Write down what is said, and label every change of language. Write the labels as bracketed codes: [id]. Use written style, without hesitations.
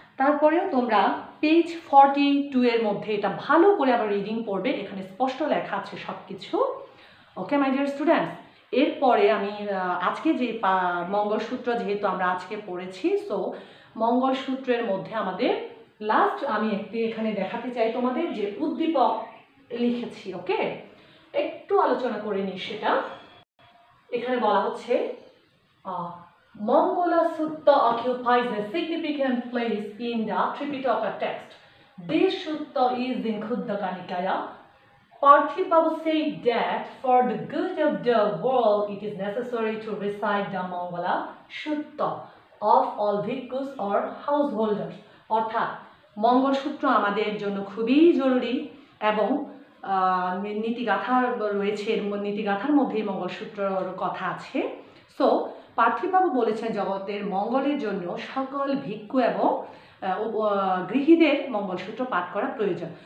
[bn] তারপরেও তোমরা পেজ 42 এর মধ্যে এটা ভালো করে আবার রিডিং পড়বে, এখানে স্পষ্ট লেখা আছে সব কিছু, ওকে মাই ডিয়ার স্টুডেন্টস? এরপরে আমি আজকে যে মঙ্গলসূত্র যেহেতু আমরা আজকে পড়েছি, সো মঙ্গলসূত্রের মধ্যে আমাদের লাস্ট আমি একটু এখানে দেখাতে চাই তোমাদের যে উদ্দীপক লিখেছি, ওকে? একটু আলোচনা করে নিই সেটা। এখানে বলা হচ্ছে [en] Mangala Sutta occupies a significant place in the Tripitaka text. This Sutta is in Khuddaka Nikaya. Parthipa said that for the good of the world it is necessary to recite the Mangala Sutta of all bhikkhus or householders. [bn] অর্থাৎ মঙ্গল সূত্র আমাদের জন্য খুবই জরুরি এবং নীতিগাথা রয়েছে, নীতিগাথার মধ্যে মঙ্গল সূত্রর কথা আছে। সো পার্থিবাবু বলেছেন জগতের মঙ্গলের জন্য সকল ভিক্ষু এবং গৃহীদের মঙ্গলসূত্র পাঠ করা প্রয়োজন।